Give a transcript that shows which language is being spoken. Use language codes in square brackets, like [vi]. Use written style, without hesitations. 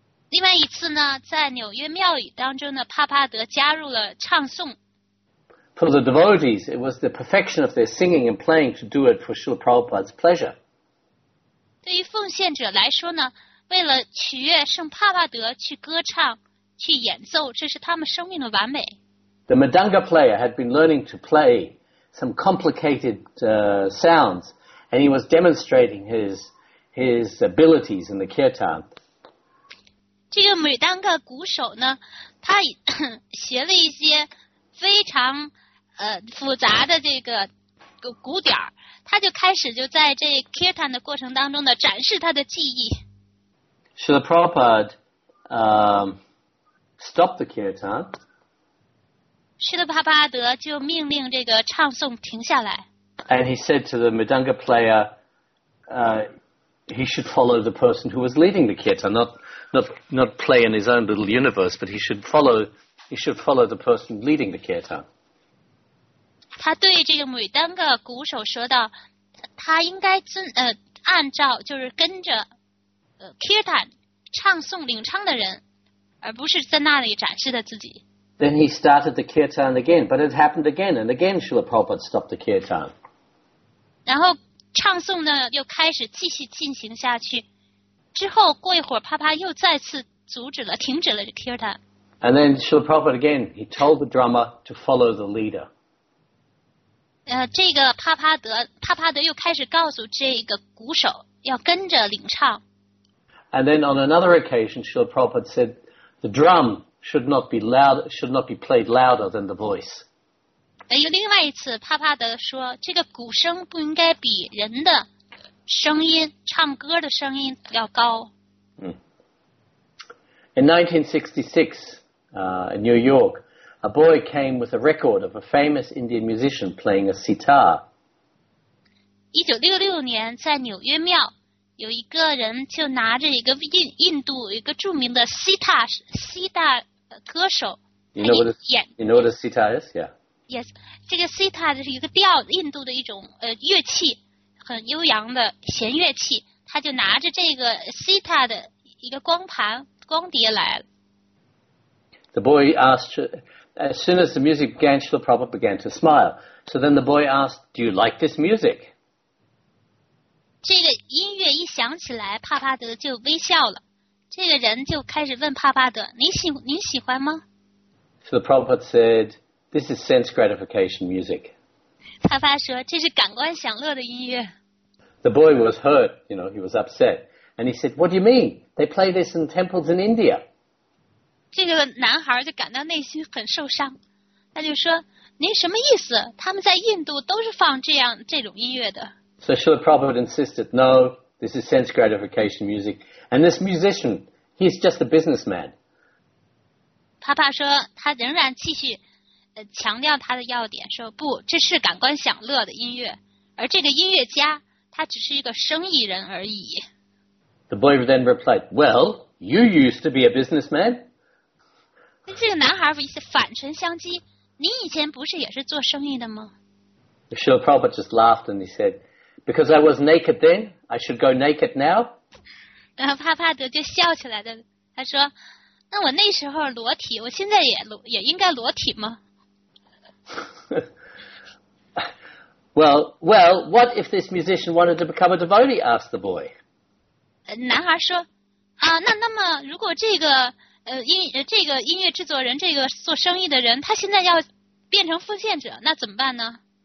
[zh] 另外一次呢在纽约庙宇当中呢帕帕德加入了唱诵。 [en] For the devotees, it was the perfection of their singing and playing to do it for Srila Prabhupada's pleasure. [zh] 对于奉献者来说呢，为了取悦圣帕帕德去歌唱、去演奏，这是他们生命的完美。 [en] The madanga player had been learning to play some complicated sounds, and he was demonstrating his abilities in the kirtan. [zh] 这个美当个鼓手呢，他学了一些非常复杂的这个鼓点儿。他就开始就在这 kirtan 的过程当中呢展示他的技艺。 [en] Srila Prabhupada stopped the kirtan. [zh] Srila Prabhupada 就命令这个唱诵停下来。 [en] And he said to the madanga player, he should follow the person who was leading the kirtan, not play in his own little universe, but he should follow the person leading the kirtan. [zh] 他对这个每单个鼓手说道，他应该按照就是跟着Kirtan唱诵领唱的人，而不是在那里展示的自己。 [en] Then he started the kirtan again, but it happened again and again. Srila Prabhupada stopped the kirtan. [zh] 然后唱诵呢又开始继续进行下去，之后过一会儿，帕帕又再次阻止了，停止了 kirtan. [en] And then Srila Prabhupada again, he told the drummer to follow the leader. [zh] 这个帕帕德又开始告诉这个鼓手要跟着领唱。 [en] And then on another occasion, Srila Prabhupada said, the drum. Should not be played louder than the voice. [zh] 有另外一次，帕帕德说，这个鼓声不应该比人的声音、唱歌的声音要高。 [en] In 1966, in New York, a boy came with a record of a famous Indian musician playing a sitar. [zh] 1966年，在纽约庙。有一个人就拿着一个印度一个著名的西塔歌手 [en] You know what a sitar is? Yeah. Yes. [zh] 这个 sitar 是一个调印度的一种乐器，很悠扬的弦乐器。他就拿着这个 sitar 的一个光盘光碟来了。 [en] The boy asked, as soon as the music began, Srila Prabhupada began to smile. So then the boy asked, do you like this music? [zh] 这个音乐一响起来，帕帕德就微笑了。这个人就开始问帕帕德：“您喜欢吗？” [en] So the Prabhupada said, "This is sense gratification music." [zh] 帕帕说：“这是感官享乐的音乐。” [en] The boy was hurt, you know, he was upset, and he said, "What do you mean? They play this in temples in India." [zh] 这个男孩就感到内心很受伤，他就说：“您什么意思？他们在印度都是放这种音乐的。” [en] So Srila Prabhupada insisted, no, this is sense gratification music. And this musician, he's just a businessman. [zh] 帕帕说他仍然继续强调他的要点，说不，这是感官享乐的音乐，而这个音乐家他只是一个生意人而已。 [en] The boy then replied, well, you used to be a businessman. [zh] 那这个男孩反唇相讥，您以前不是也是做生意的吗？ [en] Srila Prabhupada just laughed and he said,Because I was naked then, I should go naked now. [zh] 然后帕帕德就笑起来了，他说，那我那时候裸体，我现在也应该裸体吗？ [en] Well, what if this musician wanted to become a devotee, asked the boy. [zh] 男孩说，那么如果这个音乐制作人，这个做生意的人，他现在要变成奉献者，那怎么办呢？